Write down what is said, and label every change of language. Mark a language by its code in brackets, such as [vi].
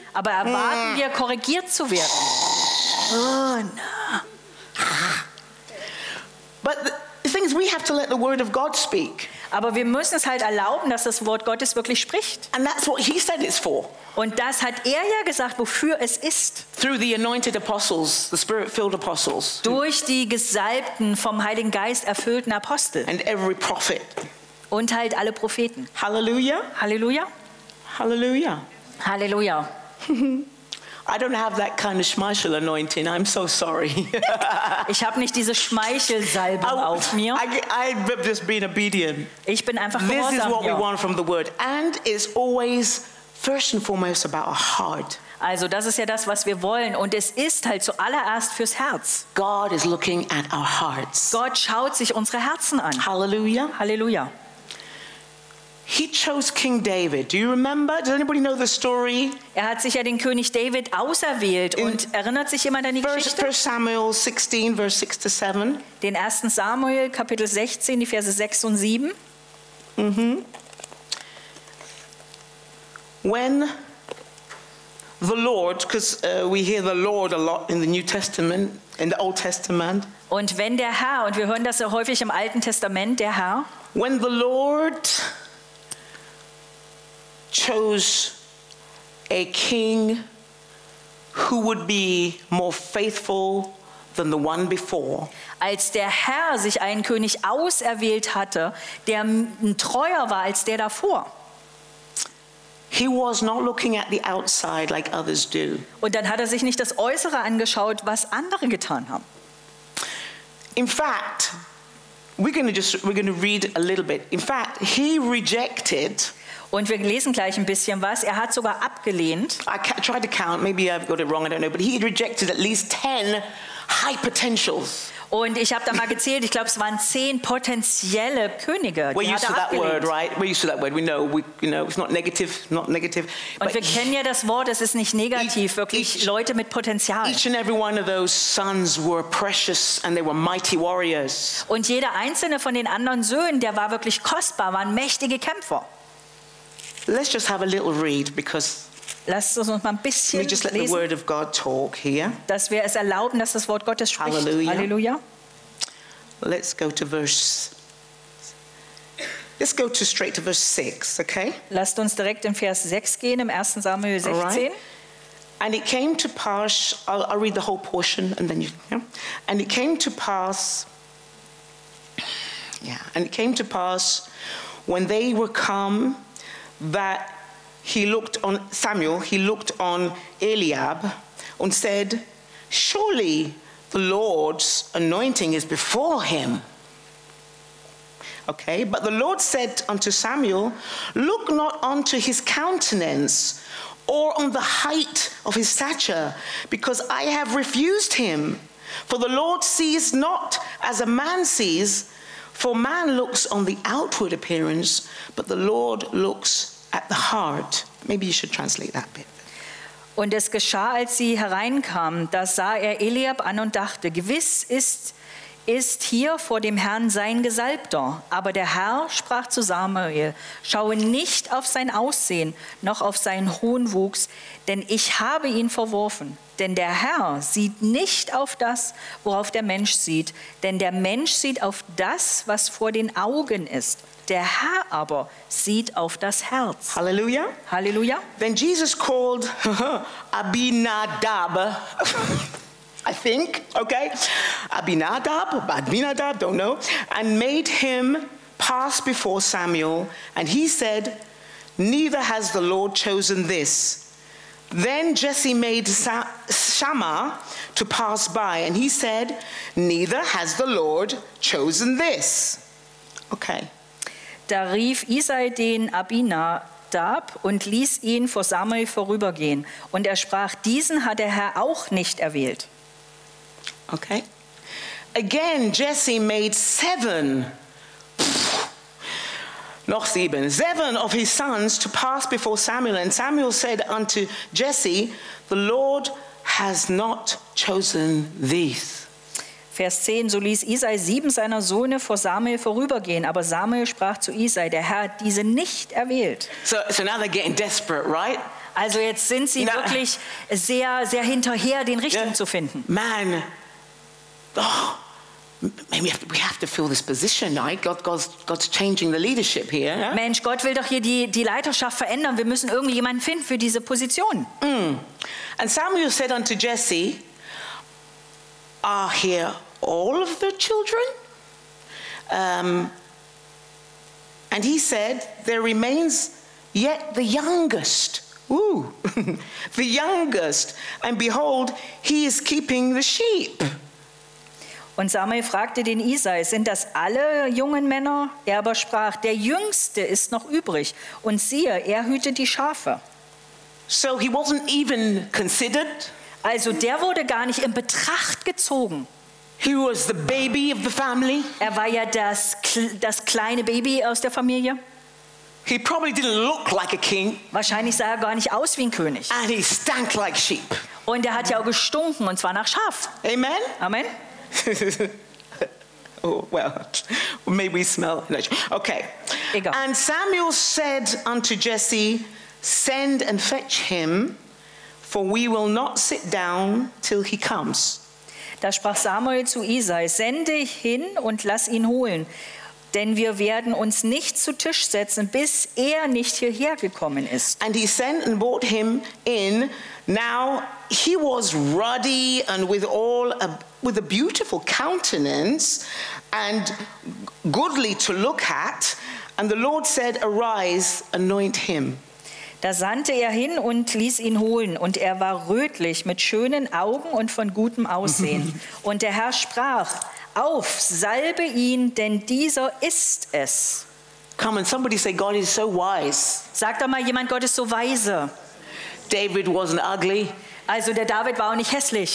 [de] Aber erwarten wir, korrigiert zu werden? [en] Oh, no. But the thing is, we have to let the word of God speak. [de] Aber wir müssen es halt erlauben, dass das Wort Gottes wirklich spricht. [en] And that's what he said it's for. [de] Und das hat er ja gesagt, wofür es ist. [en] Through the anointed apostles, the spirit-filled apostles. [de] Durch die gesalbten, vom Heiligen Geist erfüllten Apostel. [en] And every prophet. [de] Und halt alle Propheten. [en] Hallelujah. Hallelujah. Hallelujah. Hallelujah. I don't have that kind of Schmeichel anointing. I'm so sorry. [de] Ich habe nicht diese Schmeichelsalbe auf mir. [en] I've just been obedient. [de] Ich bin einfach gehorsam. [en] This is what we want from the word, and it's always first and foremost about our heart. [de] Also, das ist ja das, was wir wollen, und es ist halt zuallererst fürs Herz. [en] God is looking at our hearts. [de] Gott schaut sich unsere Herzen an. [en] Hallelujah. Hallelujah. He chose King David. Do you remember? Does anybody know the story? [de] Er hat sich ja den König David auserwählt. Und erinnert sich jemand an die Geschichte? [en] 1 Samuel 16, verse 6 to 7. [de] Den 1. Samuel, Kapitel 16, die Verse 6 und 7. Mm-hmm. [en] When the Lord, because we hear the Lord a lot in the New Testament, in the Old Testament. [de] Und wenn der Herr, und wir hören das ja häufig im Alten Testament, der Herr. [en] When the Lord chose a king who would be more faithful than the one before. [de] Als der Herr sich einen König auserwählt hatte, der treuer war als der davor. [en] He was not looking at the outside like others do. [de] Und dann hat er sich nicht das Äußere angeschaut, was andere getan haben. [en] In fact, we're going to read a little bit. In fact, he rejected. [de] Und wir lesen gleich ein bisschen was. Er hat sogar abgelehnt. [en] I tried to count. Maybe I've got it wrong. I don't know. But he rejected at least 10 high potentials. [de] Und ich habe da mal gezählt. Ich glaube, es waren 10 potentielle Könige. [en] We're used to [de] abgelehnt. [en] That word, right? We're used to that word. We know. It's not negative. Not negative. [de] Und [en] but [de] wir kennen ja das Wort. Es ist nicht negativ. Wirklich [en] each, [de] Leute mit Potenzial. [en] Each and every one of those sons were precious and they were mighty warriors. [de] Und jeder einzelne von den anderen Söhnen, der war wirklich kostbar. Waren mächtige Kämpfer. [en] Let's just have a little read because. [de] Lasst uns mal ein bisschen lesen. [en] Just let [de] lesen, [en] the word of God talk here. [de] Dass wir es erlauben, dass das Wort Gottes spricht. [en] Hallelujah. Hallelujah. Let's go to verse. Let's go to straight to verse 6, okay? [de] Lasst uns direkt in Vers 6 gehen im 1. Samuel 16. [en] Right. And it came to pass. I'll read the whole portion and then you. Yeah. And it came to pass. Yeah. And it came to pass when they were come. That he looked on Samuel, he looked on Eliab and said, surely the Lord's anointing is before him. Okay, but the Lord said unto Samuel, look not unto his countenance or on the height of his stature, because I have refused him. For the Lord sees not as a man sees, for man looks on the outward appearance, but the Lord looks at the heart. Maybe you should translate that bit. [de] Und es geschah, als sie hereinkamen, da sah er Eliab an und dachte, gewiss ist hier vor dem Herrn sein Gesalbter. Aber der Herr sprach zu Samuel, schaue nicht auf sein Aussehen, noch auf seinen hohen Wuchs, denn ich habe ihn verworfen. Denn der Herr sieht nicht auf das, worauf der Mensch sieht, denn der Mensch sieht auf das, was vor den Augen ist. Der Herr aber sieht auf das Herz. Halleluja. Halleluja. [en] Then Jesus called Abinadab. I think, okay. Abinadab, don't know. And made him pass before Samuel. And he said, neither has the Lord chosen this. Then Jesse made Shammah to pass by. And he said, neither has the Lord chosen this. Okay. [de] Da rief Isai den Abinadab und ließ ihn vor Samuel vorübergehen. Und er sprach, diesen hat der Herr auch nicht erwählt. [en] Okay. Again, Jesse made 7. [de] Noch 7. [en] 7 of his sons to pass before Samuel. And Samuel said unto Jesse, the Lord has not chosen these. [de] Vers 10, so ließ Isai 7 seiner Söhne vor Samuel vorübergehen, aber Samuel sprach zu Isai, der Herr hat diese nicht erwählt. [en] So now they're getting desperate, right? [de] Also jetzt sind sie wirklich sehr, sehr hinterher, den Richtigen zu finden. [en] Man, oh, we have to fill this position, right? God's changing the leadership here. Yeah? [de] Mensch, Gott will doch hier die Leiterschaft verändern. Wir müssen irgendjemanden finden für diese Position. Mm. [en] And Samuel said unto Jesse, are here all of the children? And he said, there remains yet the youngest Ooh, the youngest, and behold, he is keeping the sheep. [de] Und Samuel fragte den Isai, sind das alle jungen Männer? Er aber sprach, der Jüngste ist noch übrig, und siehe, er hütet die Schafe. [en] So he wasn't even considered. [de] Also der wurde gar nicht in Betracht gezogen. [en] He was the baby of the family. [de] Er war ja das kleine Baby aus der Familie. [en] He probably didn't look like a king. [de] Wahrscheinlich sah er gar nicht aus wie ein König. [en] And he stank like sheep. [de] Und er hat ja auch gestunken, und zwar nach Schaf. [en] Amen. [de] Amen. [en] Oh, well, may we smell. Okay. [de] Egal. [en] And Samuel said unto Jesse, send and fetch him, for we will not sit down till he comes. [de] Da sprach Samuel zu Isai, sende hin und lass ihn holen, denn wir werden uns nicht zu Tisch setzen, bis er nicht hierher gekommen ist. [en] And he sent and brought him in. Now he was ruddy and with a beautiful countenance and goodly to look at. And the Lord said, arise, anoint him. [de] Da sandte er hin und ließ ihn holen, und er war rötlich mit schönen Augen und von gutem Aussehen. Und der Herr sprach, auf, salbe ihn, denn dieser ist es. [en] Come on, somebody say, God is so wise. [de] Sag doch mal jemand, Gott ist so weise. [en] David wasn't ugly. [de] Also der David war auch nicht hässlich.